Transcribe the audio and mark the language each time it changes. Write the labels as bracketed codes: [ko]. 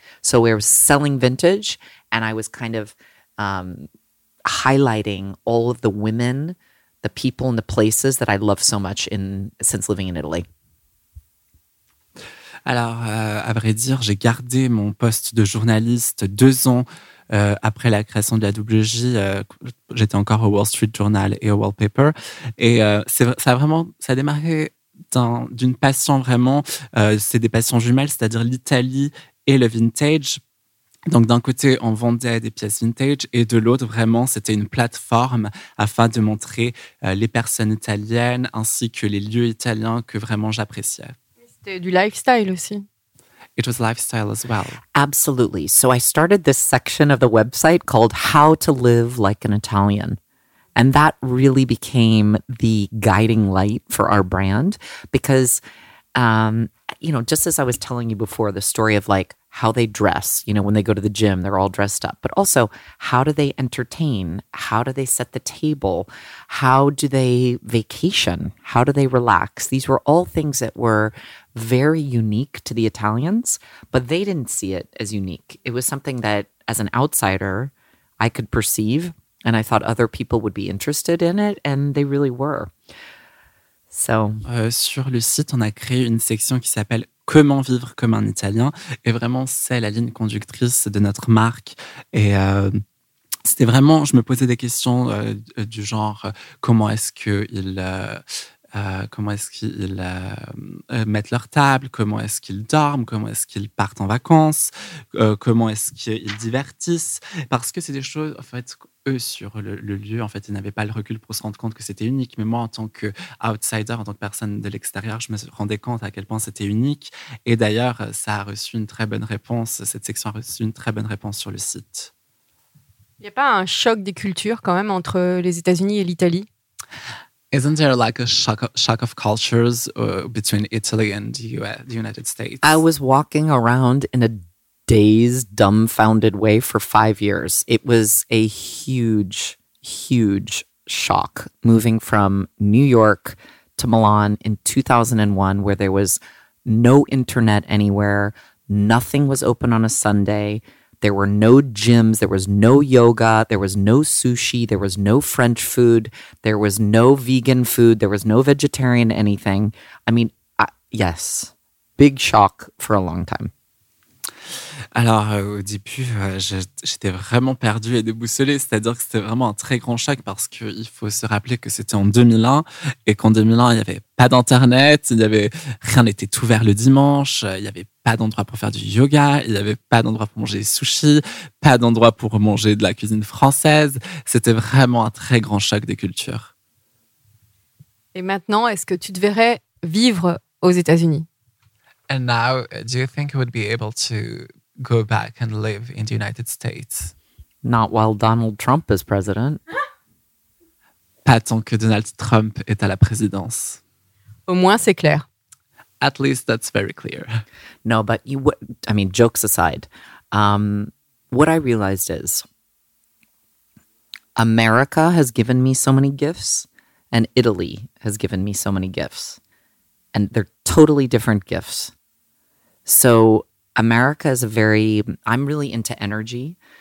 [en] So I was selling vintage and I was kind of highlighting all of the women, the people and the places that I love so much since living in Italy. [fr] Alors, à vrai dire, j'ai gardé mon poste de journaliste 2 ans après la création de la Double J. J'étais encore au Wall Street Journal et au Wallpaper. Et ça a démarré d'une passion vraiment, c'est des passions jumelles, c'est-à-dire l'Italie et le vintage. Donc d'un côté, on vendait des pièces vintage et de l'autre, vraiment, c'était une plateforme afin de montrer les personnes italiennes ainsi que les lieux italiens que vraiment j'appréciais. C'était du lifestyle aussi. [en] It was lifestyle as well. Absolutely. So I started this section of the website called How to Live Like an Italian. And that really became the guiding light for our brand. Because, you know, just as I was telling you before, the story of like how they dress, you know, when they go to the gym, they're all dressed up. But also, how do they entertain? How do they set the table? How do they vacation? How do they relax? These were all things that were very unique to the Italians, but they didn't see it as unique. It was something that, as an outsider, I could perceive, and I thought other people would be interested in it, and they really were. So, [fr] sur le site, on a créé une section qui s'appelle Comment vivre comme un Italien, et vraiment, c'est la ligne conductrice de notre marque. Et c'était vraiment, je me posais des questions du genre, comment est-ce qu'il... comment est-ce qu'ils mettent leur table, comment est-ce qu'ils dorment, comment est-ce qu'ils partent en vacances, comment est-ce qu'ils divertissent, parce que c'est des choses, en fait, eux, sur le lieu, en fait, ils n'avaient pas le recul pour se rendre compte que c'était unique, mais moi, en tant qu'outsider, en tant que personne de l'extérieur, je me rendais compte à quel point c'était unique, et d'ailleurs, ça a reçu une très bonne réponse, cette section a reçu une très bonne réponse sur le site. Il n'y a pas un choc des cultures, quand même, entre les États-Unis et l'Italie? [en] Isn't there like a shock of cultures between Italy and the United States? I was walking around in a dazed, dumbfounded way for 5 years. It was a huge, huge shock moving from New York to Milan in 2001, where there was no internet anywhere. Nothing was open on a Sunday. There were no gyms, there was no yoga, there was no sushi, there was no French food, there was no vegan food, there was no vegetarian anything. I mean, yes, big shock for a long time. [fr] Alors, au début, j'étais vraiment perdue et déboussolée. C'est-à-dire que c'était vraiment un très grand choc parce qu'il faut se rappeler que c'était en 2001 et qu'en 2001, il n'y avait pas d'Internet, rien n'était ouvert le dimanche, il n'y avait pas pas d'endroit pour faire du yoga, il n'y avait pas d'endroit pour manger des sushis, pas d'endroit pour manger de la cuisine française. C'était vraiment un très grand choc des cultures. Et maintenant, est-ce que tu te verrais vivre aux États-Unis? [en] And now, do you think you would be able to go back and live in the United States? Not while Donald Trump is president. [fr] Pas tant que Donald Trump est à la présidence. Au moins, c'est clair. [en] At least that's very clear. No, but you would, I mean, jokes aside, what I realized is America has given me so many gifts and Italy has given me so many gifts. And they're totally different gifts. So America is a very, I'm really into energy.